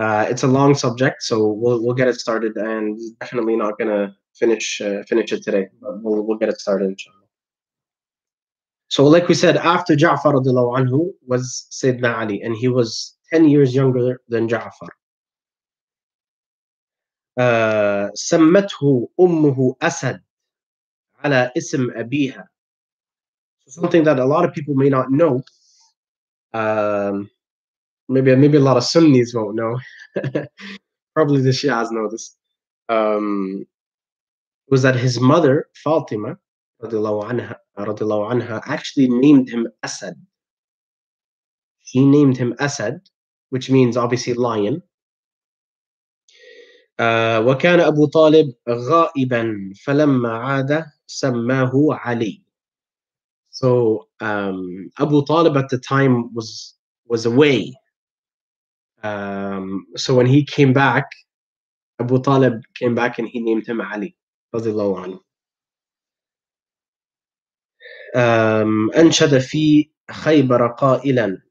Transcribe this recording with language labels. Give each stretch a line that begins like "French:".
English: It's a long subject, so we'll get it started, and definitely not gonna finish it today. But we'll get it started, inshallah. So, like we said, after Ja'far radiallahu anhu was Sayyidina Ali, and he was 10 years younger than Ja'far.
Arabic: سَمَّتْهُ أُمُّهُ أَسَدْ عَلَى إِسْمِ أَبِيهَا.
English: Something that a lot of people may not know, maybe a lot of Sunnis won't know, probably the Shias know this, was that his mother, Fatima, radiallahu anha, actually named him Asad. She named him Asad, which means obviously lion.
Arabic: وكان أبو طالب غائبا فلما عاد سماه علي.
English: So Abu Talib at the time was away. So when he came back, Abu Talib came back and he named him Ali, radiallahu anhu.
Arabic: أنشد في خيبر قائلا.